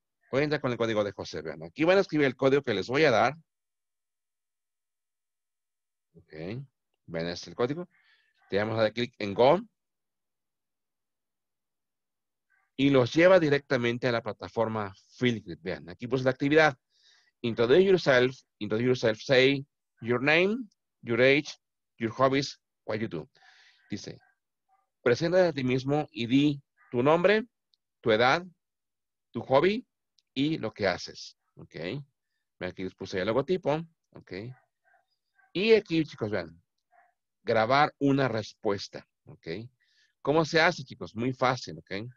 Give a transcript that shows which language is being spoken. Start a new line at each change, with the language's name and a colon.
Spanish: Voy a entrar con el código de José. Vean, aquí van a escribir el código que les voy a dar. Ok. Vean, este es el código. Le vamos a dar clic en Go. y los lleva directamente a la plataforma Filigrid. Vean, aquí puse la actividad.
English: Introduce yourself, say your name, your age, your hobbies, what you do.
Spanish: Dice, presenta a ti mismo y di tu nombre, tu edad, tu hobby y lo que haces. Ok. Aquí les puse el logotipo. Ok. Y aquí, chicos, vean, grabar una respuesta. Ok. ¿Cómo se hace, chicos? Muy fácil. Ok.